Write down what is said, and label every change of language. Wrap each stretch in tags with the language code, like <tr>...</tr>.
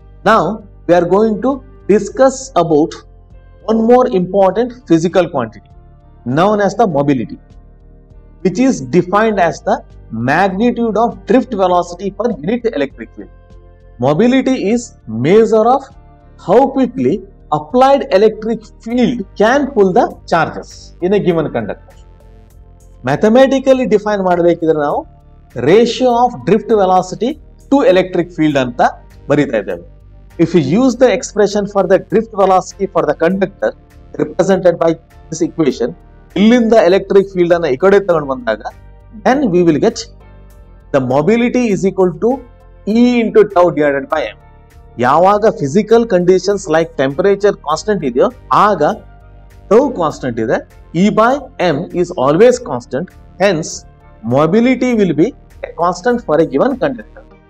<en>Now we are going to discuss about one more important physical quantity known as the mobility, which is defined as the magnitude of drift velocity per unit electric field. Mobility is measure of how quickly applied electric field can pull the charges in a given conductor. Mathematically define</en> <kn>ಮಾಡಬೇಕಿದ್ರೆ ನಾವು</kn> <en>ratio of drift velocity to electric field</en> <kn>ಅಂತ ಬರೀತಾ ಇದ್ದೇವೆ.</kn> <en>if you use the expression for the drift velocity for the conductor, represented by this equation, in the electric field</en> <kn>ana ikade tagondu bandaga,</kn> <en>then we will get the mobility is equal to E into tau divided by m.</en> <kn>Yavaga</kn> <en>physical conditions like temperature constant</en> <kn>idiyo aga</kn> <en>tau constant</en> <kn>ide,</kn> <en>E by m is always constant, hence mobility will be a constant for a given conductor.</en>